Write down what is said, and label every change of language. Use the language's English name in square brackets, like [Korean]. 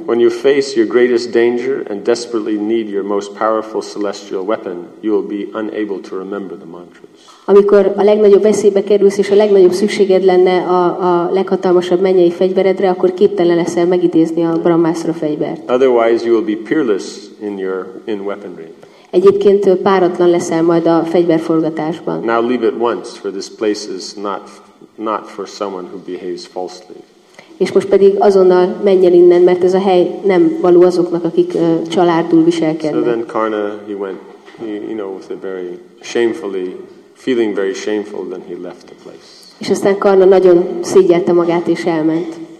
[English] When you face your greatest danger and desperately need your most powerful celestial weapon, you will be unable to remember the mantras. [Hungarian] Amikor a legnagyobb veszélybe kerülsz, és a legnagyobb szükséged lenne a leghatalmasabb mennyei fegyveredre, akkor képtelen leszel megidézni a Brahmasra fegyvert. [English] Otherwise you will be peerless in weaponry. [Hungarian] Egyébként páratlan leszel majd a fegyverforgatásban. [English] Now leave it once, for this place is not for someone who behaves falsely. [Hungarian] És most pedig azonnal menj el innen, mert ez a hely nem való azoknak, akik csalárdul viselkednek. [English] So then Karna, he went, he, you know, with a very shamefully, feeling very shameful, then he left the place. [Hungarian] És aztán Karna nagyon szégyelte magát és elment.